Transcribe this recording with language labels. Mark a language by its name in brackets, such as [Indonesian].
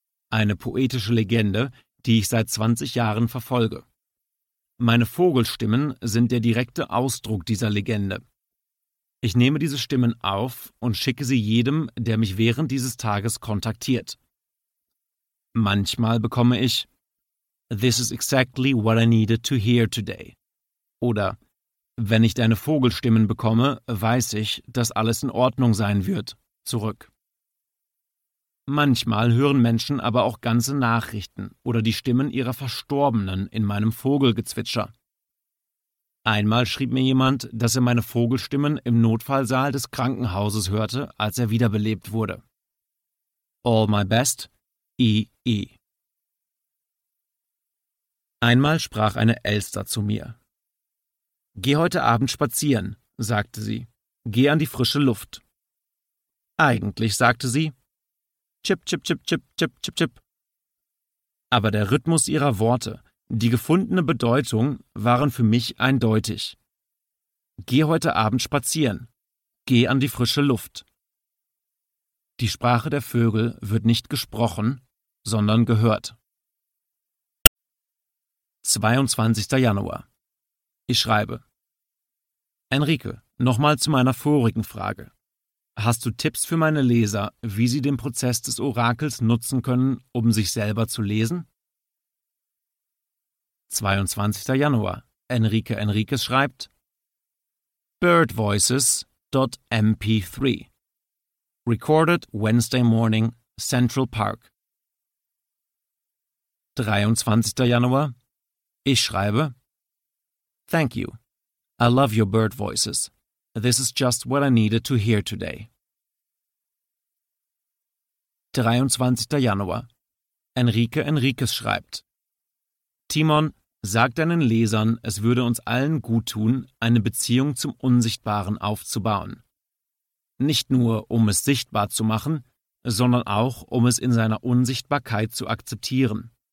[German] Eine poetische Legende, die ich seit 20 Jahren verfolge. Meine Vogelstimmen sind der direkte Ausdruck dieser Legende. Ich nehme diese Stimmen auf und schicke sie jedem, der mich während dieses Tages kontaktiert. Manchmal bekomme ich: [English] This is exactly what I needed to hear today. [German] Oder: Wenn ich deine Vogelstimmen bekomme, weiß ich, dass alles in Ordnung sein wird, zurück. Manchmal hören Menschen aber auch ganze Nachrichten oder die Stimmen ihrer Verstorbenen in meinem Vogelgezwitscher. Einmal schrieb mir jemand, dass er meine Vogelstimmen im Notfallsaal des Krankenhauses hörte, als er wiederbelebt wurde. [English] All my best, E.E. [German] Einmal sprach eine Elster zu mir. Geh heute Abend spazieren, sagte sie. Geh an die frische Luft. Eigentlich, sagte sie. Chip, chip, chip, chip, chip, chip, chip. Aber der Rhythmus ihrer Worte, die gefundene Bedeutung, waren für mich eindeutig. Geh heute Abend spazieren. Geh an die frische Luft. Die Sprache der Vögel wird nicht gesprochen, sondern gehört. 22. Januar. Ich schreibe: Enrique, nochmal zu meiner vorigen Frage. Hast du Tipps für meine Leser, wie sie den Prozess des Orakels nutzen können, um sich selber zu lesen? 22. Januar. Enrique Enriquez schreibt: Birdvoices.mp3. [English] Recorded Wednesday morning, Central Park. [German] 23. Januar. Ich schreibe: [English] Thank you. I love your bird voices. This is just what I needed to hear today. [German] 23. Januar. Enrique Enriquez schreibt: Timon, sag deinen Lesern, es würde uns allen gut tun, eine Beziehung zum Unsichtbaren aufzubauen. Nicht nur, um es sichtbar zu machen, sondern auch, um es in seiner Unsichtbarkeit zu akzeptieren.